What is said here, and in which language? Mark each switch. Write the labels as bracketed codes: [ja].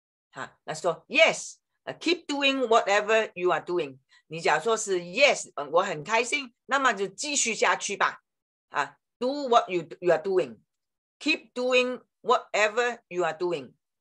[zh] 啊，他说 [en] Yes， keep doing whatever you are doing。 [zh] 你假如说是 Yes， 我很开心，那么就继续下去吧。 [en] 啊 ，Do what you are doing， keep doing whatever you are doing。